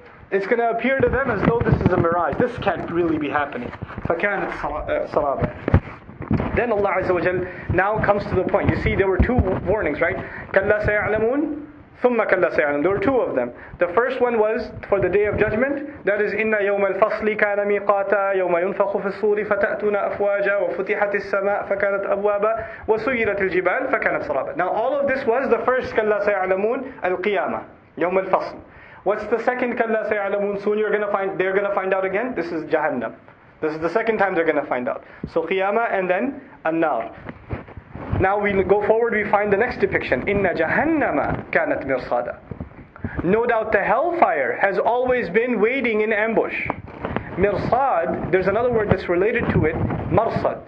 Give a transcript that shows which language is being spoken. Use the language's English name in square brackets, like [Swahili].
[English] It's going to appear to them as though this is a mirage. This can't really be happening. [Arabic] فَكَانَتْ سَرَابًا [English] Then Allah Azza wa Jal now comes to the point. You see, there were two warnings, right? [Arabic] كَلَّا سَيَعْلَمُونَ ثُمَّ كَلَّا سَيَعْلَمُونَ [English] There were two of them. The first one was for the Day of Judgment. That is, [Arabic] إِنَّ يَوْمَ الْفَصْلِ كَانَ مِيقَاتًا يَوْمَ يُنْفَخُ فِي الصُّورِ فَتَأْتُونَ أَفْوَاجًا وَفُتِحَتِ السَّمَاءِ فَكَانَتْ أَبْوَابًا وَسُيِّرَتِ الْجِبَالِ فَكَانَتْ سَرَابًا [English] Now all of this was the first [Arabic] كَلَّا سَيَعْلَمُونَ الْقِيَامَةِ يَوْمَ الْفَصْلِ [English] What's the second [Arabic] كَلَّا سَيَعْلَمُونَ [English] Soon they're going to find out again. This is Jahannam. This is the second time they're going to find out. So قِيَامَة and then النار. Now we go forward, we find the next depiction. [Arabic] إِنَّ جَهَنَّمَ كَانَتْ مِرْصَادًا [English] No doubt the hellfire has always been waiting in ambush. Mirsad, there's another word that's related to it, marsad.